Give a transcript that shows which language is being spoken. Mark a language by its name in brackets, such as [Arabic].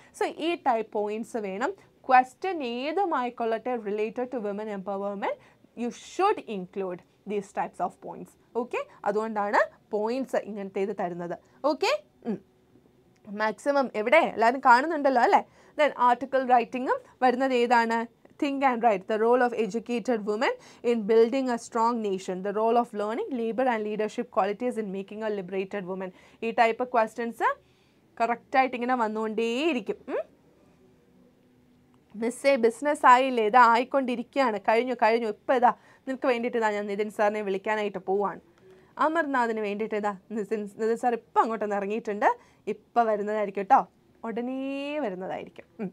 [Malayalam] So ഈ type points വേണം. Question ഏതുമായിക്കൊള്ളട്ടെ related to women empowerment, [English] You should include these types of points. [Malayalam] Okay, അതുകൊണ്ടാണ് points ഇങ്ങനത്തേത് തരുന്നത്. Okay, maximum എവിടെ എല്ലാവരും കാണുന്നുണ്ടല്ലോ അല്ലേ. ദൻ ആർട്ടിക്കിൾ റൈറ്റിംഗും വരുന്നത് ഏതാണ്? [English] Think and write the role of educated women in building a strong nation, the role of learning, labor and leadership qualities in making a liberated woman. [Malayalam] ഈ type questions correct ആയിട്ട് ഇങ്ങനെ വന്നുകൊണ്ടേയിരിക്കും. മിസ്സേ business ആയില്ലേ, ഇതാ ആയിക്കൊണ്ടിരിക്കുകയാണ്, കഴിഞ്ഞു കഴിഞ്ഞു, ഇപ്പം ഇതാ നിനക്ക് വേണ്ടിയിട്ട് ഇതാ ഞാൻ നിതിൻ സാറിനെ വിളിക്കാനായിട്ട് പോവാണ്. അമർനാഥിന് വേണ്ടിയിട്ട് ഇതാ നിതിൻ സാർ ഇപ്പം അങ്ങോട്ടൊന്ന് ഇറങ്ങിയിട്ടുണ്ട്, ഇപ്പം വരുന്നതായിരിക്കും കേട്ടോ, ഉടനേ വരുന്നതായിരിക്കും.